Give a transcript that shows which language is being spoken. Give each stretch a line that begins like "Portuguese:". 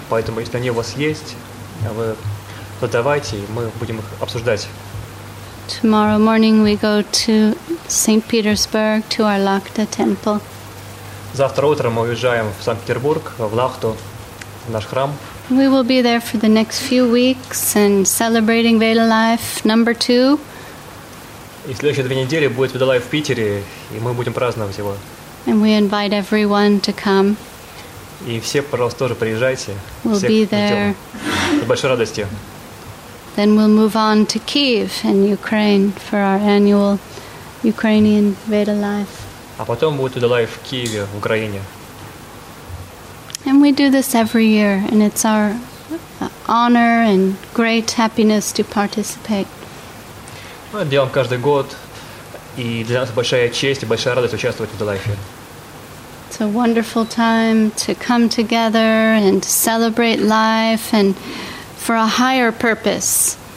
Russian: Поэтому, если они у вас есть, вы задавайте, и мы будем их обсуждать.
English: Tomorrow morning we go to St. Petersburg to our Lakhta temple.
Russian: Завтра утром мы уезжаем в Санкт-Петербург, в Лахту, в наш храм.
English: We will be there for the next few weeks and celebrating Veda Life number 2.
Russian: И следующие две недели будет Veda Life в Питере, и мы будем праздновать его.
English: And we invite everyone to come.
Russian: И все, пожалуйста, тоже приезжайте.
English: We'll
Russian: всех
English: be there.
Russian: С большой радостью.
English: Then we'll move on to Kyiv and Ukraine for our annual Ukrainian Veda Life.
Russian: А потом будет Veda Life в Киеве, в Украине.
English: And we do this every year, and it's our honor and great happiness to participate.
Russian: Мы делаем каждый год, и для нас большая честь и большая радость участвовать в Veda Life.
English: It's a wonderful time to come together and celebrate life, and for a higher purpose.